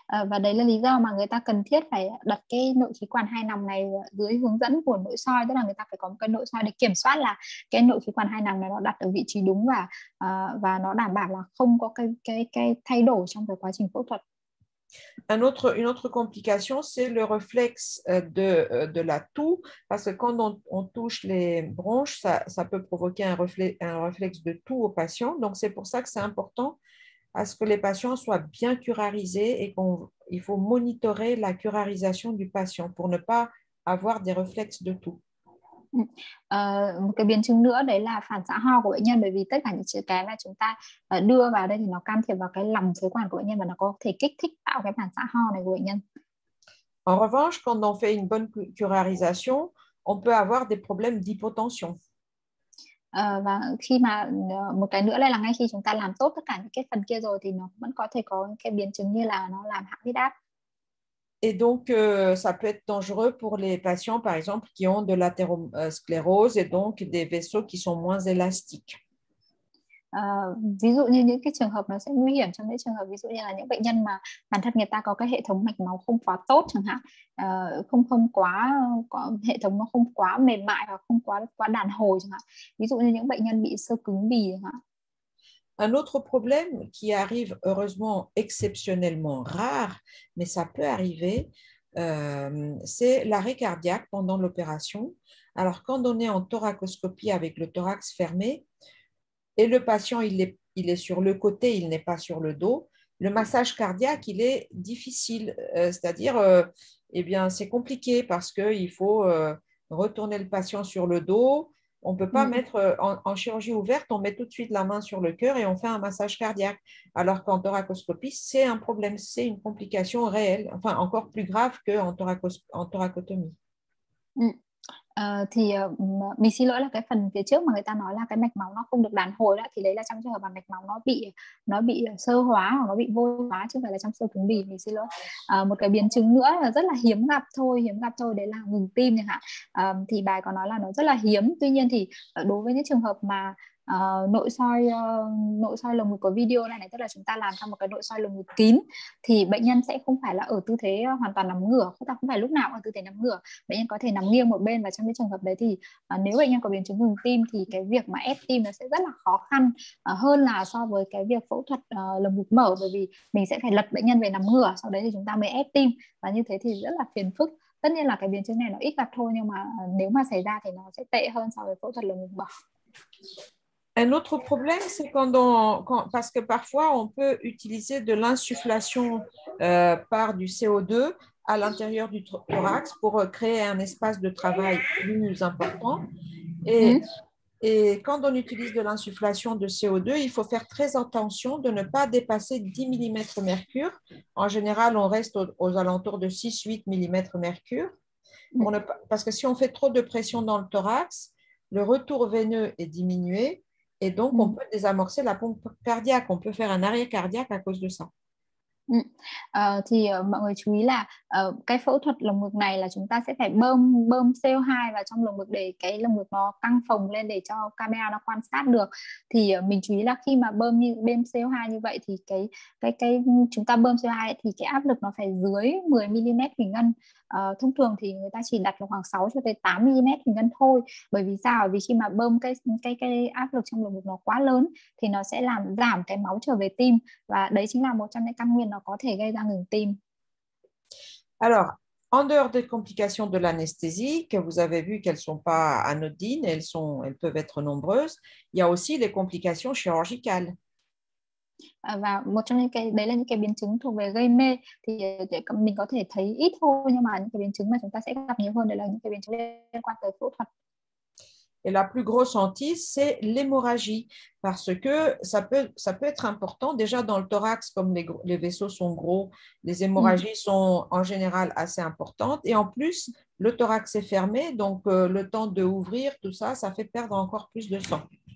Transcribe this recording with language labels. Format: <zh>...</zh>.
<vi>Và đấy là lý do mà người ta cần thiết phải đặt cái nội khí quản hai nòng này dưới hướng dẫn của nội soi, tức là người ta phải có một cái nội soi để kiểm soát là cái nội khí quản hai nòng này nó đặt ở vị trí đúng, và nó đảm bảo là không có cái thay đổi trong cái quá trình phẫu thuật.</vi> <fr>Une autre complication, c'est le réflexe de la toux, parce que quand on touche les bronches, ça peut provoquer un réflexe de toux au patient. Donc, c'est pour ça que c'est important à ce que les patients soient bien curarisés et qu'on il faut monitorer la curarisation du patient pour ne pas avoir des réflexes de toux.</fr> <vi>Một cái biến chứng nữa đấy là phản xạ ho của bệnh nhân, bởi vì tất cả những cái mà chúng ta đưa vào đây thì nó can thiệp vào cái lòng phế quản của bệnh nhân và nó có thể kích thích tạo cái phản xạ ho này của bệnh nhân.</vi> <fr>En revanche, quand on fait une bonne curarisation, on peut avoir des problèmes d'hypotension.</fr> <vi>Và khi mà một cái nữa là ngay khi chúng ta làm tốt tất cả những cái phần kia rồi thì nó vẫn có thể có cái biến chứng như là nó làm hạ huyết áp.</vi> <fr>Et donc, ça peut être dangereux pour les patients, par exemple, qui ont de l'athérosclérose et donc des vaisseaux qui sont moins élastiques.</fr> <vi>Ví dụ như những cái trường hợp nó sẽ nguy hiểm trong những trường hợp ví dụ như là những bệnh nhân mà bản thân người ta có cái hệ thống mạch máu không quá tốt chẳng hạn, không không quá có hệ thống nó không quá mềm mại và không quá quá đàn hồi chẳng hạn. Ví dụ như những bệnh nhân bị xơ cứng bì chẳng hạn.</vi> <fr>Un autre problème qui arrive heureusement exceptionnellement rare, mais ça peut arriver, c'est l'arrêt cardiaque pendant l'opération. Alors, quand on est en thoracoscopie avec le thorax fermé et le patient il est sur le côté, il n'est pas sur le dos, le massage cardiaque il est difficile, c'est-à-dire, eh bien, c'est compliqué parce qu'il faut retourner le patient sur le dos. On ne peut pas mettre en chirurgie ouverte, on met tout de suite la main sur le cœur et on fait un massage cardiaque. Alors qu'en thoracoscopie, c'est un problème, c'est une complication réelle, enfin encore plus grave qu'en thoracotomie.</fr> <vi>Thì mình xin lỗi là cái phần phía trước mà người ta nói là cái mạch máu nó không được đàn hồi đó, thì đấy là trong trường hợp mà mạch máu nó bị sơ hóa hoặc nó bị vô hóa chứ không phải là trong sơ cứng bì. Mình xin lỗi. Một cái biến chứng nữa là rất là hiếm gặp thôi đấy là ngừng tim chẳng hạn. Thì bài có nói là nó rất là hiếm, tuy nhiên thì đối với những trường hợp mà nội soi lồng ngực có video này, tức là chúng ta làm trong một cái nội soi lồng ngực kín, thì bệnh nhân sẽ không phải là ở tư thế hoàn toàn nằm ngửa, chúng ta không phải lúc nào ở tư thế nằm ngửa, bệnh nhân có thể nằm nghiêng một bên, và trong cái trường hợp đấy thì nếu bệnh nhân có biến chứng ngừng tim thì cái việc mà ép tim nó sẽ rất là khó khăn hơn là so với cái việc phẫu thuật lồng ngực mở, bởi vì mình sẽ phải lật bệnh nhân về nằm ngửa, sau đấy thì chúng ta mới ép tim, và như thế thì rất là phiền phức. Tất nhiên là cái biến chứng này nó ít gặp thôi, nhưng mà nếu mà xảy ra thì nó sẽ tệ hơn so với phẫu thuật lồng ngực mở.</vi> <fr>Un autre problème, c'est parce que parfois, on peut utiliser de l'insufflation par du CO2 à l'intérieur du thorax pour créer un espace de travail plus important. Et quand on utilise de l'insufflation de CO2, il faut faire très attention de ne pas dépasser 10 mm mercure. En général, on reste aux alentours de 6-8 mm mercure. Parce que si on fait trop de pression dans le thorax, le retour veineux est diminué. Et donc, on peut désamorcer la pompe cardiaque, on peut faire un arrêt cardiaque à cause de ça.</fr> <vi>Thì mọi người chú ý là cái phẫu thuật lồng ngực này là chúng ta sẽ phải bơm CO2 vào trong lồng ngực để cái lồng ngực nó căng phồng lên để cho camera nó quan sát được. Thì mình chú ý là khi mà bơm CO2 như vậy thì cái chúng ta bơm CO2 thì cái áp lực nó phải dưới 10 mm thủy ngân. Thông thường thì người ta chỉ đặt khoảng 6 cho tới 8 mm thủy ngân thôi. Bởi vì sao? Vì khi mà bơm cái áp lực trong lồng ngực nó quá lớn thì nó sẽ làm giảm cái máu trở về tim, và đấy chính là một trong những căn nguyên nó có thể gây ra ngừng tim.</vi> <fr>Alors, en dehors des complications de l'anesthésie, que vous avez vu qu'elles ne sont pas anodines, elles peuvent être nombreuses, il y a aussi des complications chirurgicales.</fr> <vi>Và một trong những cái đấy là những cái biến chứng thuộc về gây mê, thì mình có thể thấy ít thôi, nhưng mà những cái biến chứng mà chúng ta sẽ gặp nhiều hơn đấy là những cái biến chứng liên quan tới phẫu thuật.</vi> <fr>Et la plus grosse hantise, c'est l'hémorragie, parce que ça peut être important. Déjà dans le thorax, comme les vaisseaux sont gros, les hémorragies sont en général assez importantes. Et en plus, le thorax est fermé, donc le temps d'ouvrir tout ça, ça fait perdre encore plus de sang.</fr>